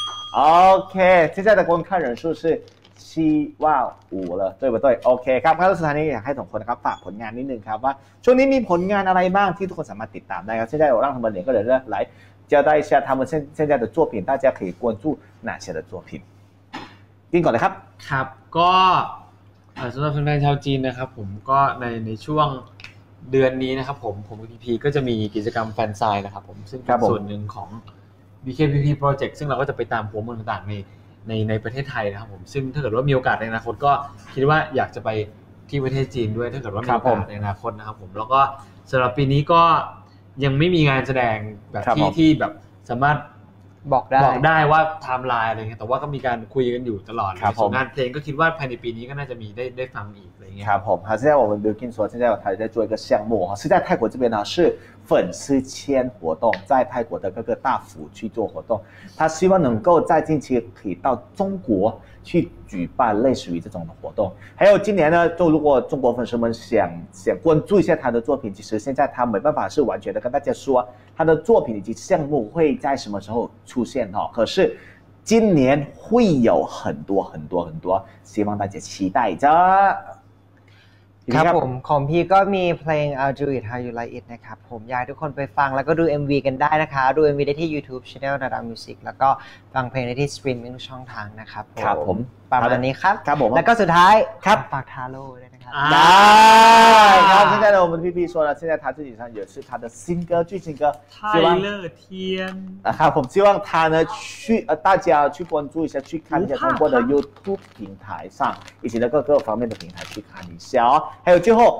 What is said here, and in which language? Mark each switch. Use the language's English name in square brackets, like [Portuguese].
[Chinese] OK， 现在的观看人数是75,000了，对不对 ？OK， [Thai] ครับ ครับ สถานีอยากให้ทุกคนนะครับฝากผลงานนิดนึงครับว่าช่วงนี้มีผลงานอะไรบ้างที่ทุกคนสามารถติดตามได้ครับ [Chinese] 现在我让他们两个人呢来。交代一下他们现在的作品，大家可以关注哪些的作品？ [Thai] กินก่อนเลยครับ ครับก็สำหรับแฟนชาวจีนนะครับผมก็ในช่วงเดือนนี้นะครับผมพีพีก็จะมีกิจกรรมแฟนไซน์นะครับผมซึ่งเป็นส่วนหนึ่งของ BKPP Project ซึ่งเราก็จะไปตามหัวเมืองต่างๆในประเทศไทยนะครับผมซึ่งถ้าเกิดว่ามีโอกาสในอนาคตก็คิดว่าอยากจะไปที่ประเทศจีนด้วยถ้าเกิดว่ามีโอกาสในอนาคตนะครับผมแล้วก็สำหรับปีนี้ก็ยังไม่มีงานแสดงแบบที่แบบสามารถ บอกได้ ว่าไทม์ไลน์อะไรเงี้ยแต่ว่าก็มีการคุยกันอยู่ตลอดส่วนงานเพลงก็คิดว่าภายในปีนี้ก็น่าจะมีได้ฟังอีกอะไรเงี้ย ครับผมฮะ [Chinese] 现在我们 Bilkin 说现在我台在做一个项目哈是在泰国这边呢是粉丝签活动在泰国的各个大府去做活动他希望能够在近期可以到中国去举办类似于这种的活动还有今年呢就如果中国粉丝们想关注一下他的作品其实现在他没办法是完全的跟大家说他的作品以及项目会在什么时候出现、哦、可是今年会有很多很多很多希望大家期待着 [Thai] ครับผมของพี่ก็มีเพลง I'll Do It How You Like It นะครับผมอยากทุกคนไปฟังแล้วก็ดู MV กันได้นะคะดู MV ได้ที่ YouTube Channel Nada Music แล้วก็ฟังเพลงได้ที่ Streaming ช่องทางนะครับ ครับผม ประมาณนี้ครับ ครับผม แล้วก็สุดท้าย ครับ ฝากทาโร่ด้วยนะครับ ได้ครับ [Chinese] 现在呢我们PP说了现在他自己唱也是他的新歌最新歌泰勒天 [Thai] ครับผม [Chinese] 希望他呢去大家去关注一下去看一下通过的 YouTube 平台上以及的各方面的平台去看一下哦还有最后